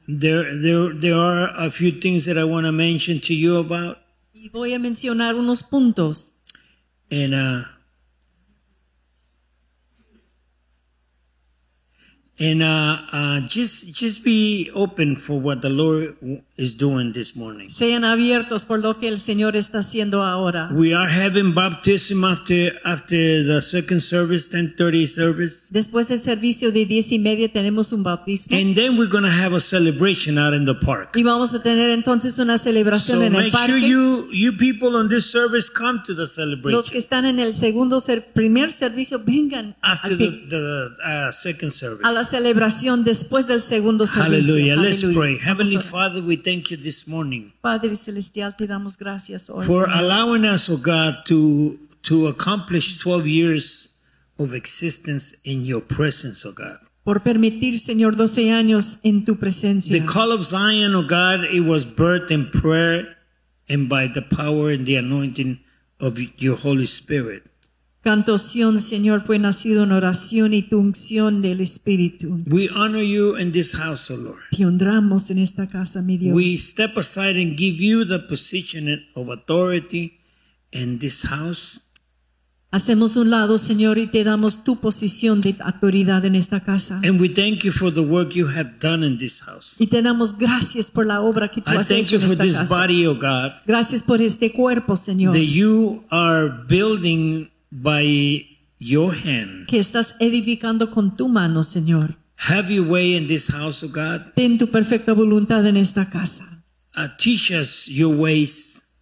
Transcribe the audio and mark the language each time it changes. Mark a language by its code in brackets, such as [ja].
[en] There are a few things that I want to mention to you about. [es] Y voy a mencionar unos puntos. [en] And just be open for what the Lord is doing this morning. [es] Sean abiertos por lo que el Señor está haciendo ahora. [en] We are having baptism after the second service, 10:30 service. [es] Después del servicio de 10:30 tenemos un bautismo. [en] And then we're going to have a celebration out in the park. [es] Y vamos a tener entonces una celebración [en] so [es] en el parque. [en] So make sure you people on this service come to the celebration. [es] Los que están en el segundo primer servicio vengan [en] after the second service. [es] A la celebración después del segundo servicio. [en] Hallelujah. Let's pray. Heavenly Father, we thank you this morning. [es] Padre celestial, te damos gracias hoy. [en] For allowing us, oh God, to accomplish 12 years of existence in your presence, oh God. [es] Por permitir, Señor, 12 años en tu presencia. [en] The call of Zion, oh God, it was birthed in prayer and by the power and the anointing of your Holy Spirit. [es] Canto Sion, Señor, fue nacido en oración y tu unción del Espíritu. [en] We honor you in this house, O Lord. [es] Te honramos en esta casa, mi Dios. [en] We step aside and give you the position of authority in this house. [es] Hacemos un lado, Señor, y te damos tu posición de autoridad en esta casa. [en] And we thank you for the work you have done in this house. [es] Y te damos gracias por la obra que tú has hecho en esta casa. [en] I thank you for this body, O God. [es] Gracias por este cuerpo, Señor. [en] That you are building by your hand. [es] Que estás edificando con tu mano, Señor. [en] Have your way in this house, O God. [es] Ten tu perfecta voluntad en esta casa. [en] Teach us your ways.